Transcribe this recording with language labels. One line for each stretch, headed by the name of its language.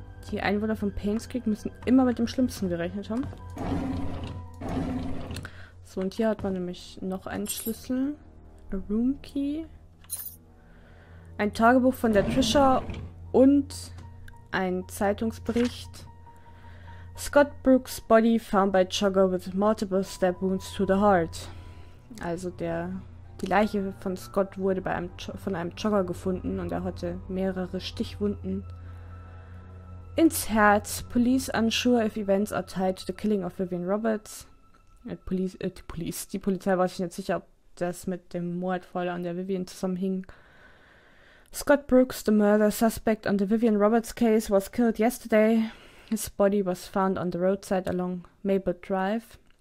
German: Die Einwohner von Payne's Creek müssen immer mit dem Schlimmsten gerechnet haben. So, und hier hat man nämlich noch einen Schlüssel.
English: A Room Key.
German: Ein Tagebuch von der Trisha und ein Zeitungsbericht.
English: Scott Brooks' body found by Chugger with multiple stab wounds to the heart.
German: Also der. Die Leiche von Scott wurde von einem Jogger gefunden und er hatte mehrere Stichwunden ins Herz.
English: Police unsure if events are tied to the killing of Vivian Roberts.
German: Die Polizei war sich nicht sicher, ob das mit dem Mordfall an der Vivian zusammenhing.
English: Scott Brooks, the murder suspect on the Vivian Roberts case, was killed yesterday. His body was found on the roadside along Maple Drive.